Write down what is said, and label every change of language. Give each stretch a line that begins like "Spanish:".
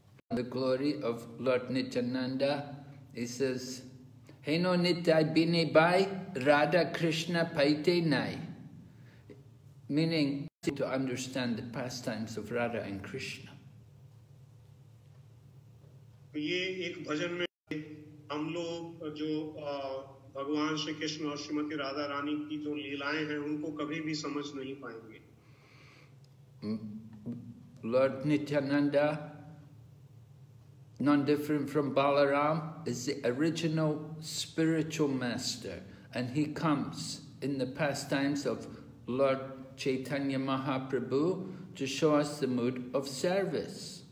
English: The glory of Lord Nityananda, he says,
Bangla: Heno Nitai Bini Bai Radha Krishna Paite Nai,
English: meaning to understand the pastimes of Radha and Krishna.
Hindi: ये एक भजन में हम लोग जो भगवान श्री कृष्ण और श्रीमती राधा रानी की जो लीलाएं हैं उनको कभी भी समझ नहीं पाएंगे.
English: Lord Nityananda, non-different from Balaram, is the original spiritual master, and he comes in the pastimes of Lord Chaitanya Mahaprabhu to show us the mood of service.